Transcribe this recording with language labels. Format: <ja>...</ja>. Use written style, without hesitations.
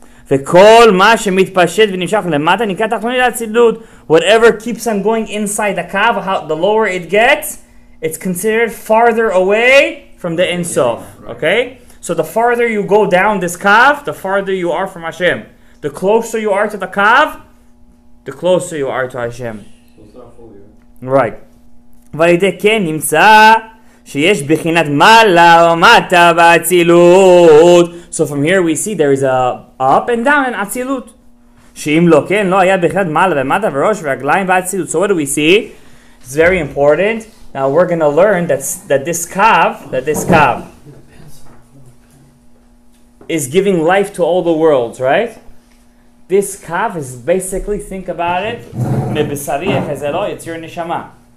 <he>וכל מה שמתפשט ונמשך למטה נקרא תחתונית האצילות.</he> <en>Whatever keeps on going inside the Kav, how the lower it gets, it's considered farther away from the Ein Sof. Yeah, right. Okay? So the farther you go down this Kav, the farther you are from Hashem. The closer you are to the Kav, the closer you are to Hashem. So it's not fully. Right.</en> <he>וידי כן נמצא שיש בחינת מעלה ומטה באצילות.</he> <en>So from here we see there is a up and down in אצילות.</en> <he>שאם לא כן, לא היה בחינת מעלה ומטה וראש ורגליים באצילות.</he> <en>So what do we see? It's very important. Now we're going to learn that this kav is giving life to all the worlds, right? This kav is basically, think about it, it's your neshama.</en>